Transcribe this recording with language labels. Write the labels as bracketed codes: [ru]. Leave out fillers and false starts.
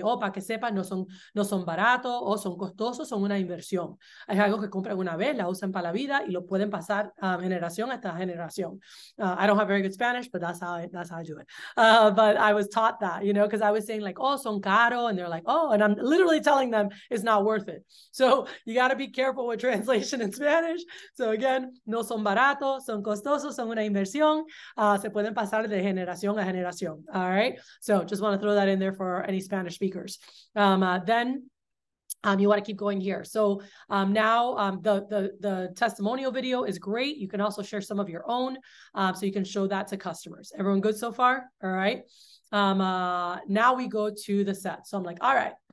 [es] Oh, para que sepan, no son baratos, o son costosos, son una inversión. Es algo que compran una vez, la usan para la vida y lo pueden pasar generación hasta generación. [en] I don't have very good Spanish, but that's how I do it. But I was taught that, you know, because I was saying like, [es] oh, son caro, [en] and they're like, oh, and I'm literally telling them it's not worth it. So you got to be careful with translation in Spanish. So again, [es] no son baratos, son costosos, son una inversión. Se pueden pasar de generación a generación. [en] All right. So just want to throw that in there for any Spanish speakers. Then you want to keep going here. So now the testimonial video is great. You can also share some of your own so you can show that to customers. Everyone good so far? All right. Now we go to the set. So I'm like, all right.